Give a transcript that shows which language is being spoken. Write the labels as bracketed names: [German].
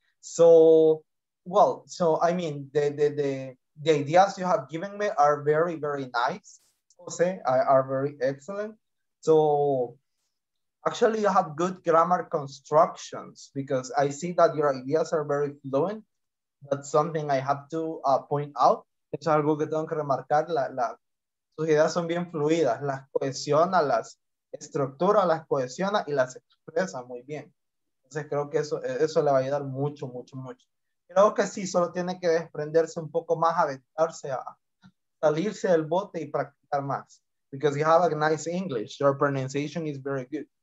[English] So, well, so I mean, the ideas you have given me are very, very nice, Jose, are very excellent. So actually you have good grammar constructions because I see that your ideas are very fluent. That's something I have to point out. [Spanish] Es algo que tengo que remarcar, sus ideas son bien fluidas, las cohesiona, las estructura, las cohesiona y las expresa muy bien. Entonces creo que eso le va a ayudar mucho, mucho, mucho. Creo que sí, solo tiene que desprenderse un poco más, aventarse a salirse del bote y practicar más. [English] Because you have a nice English, your pronunciation is very good.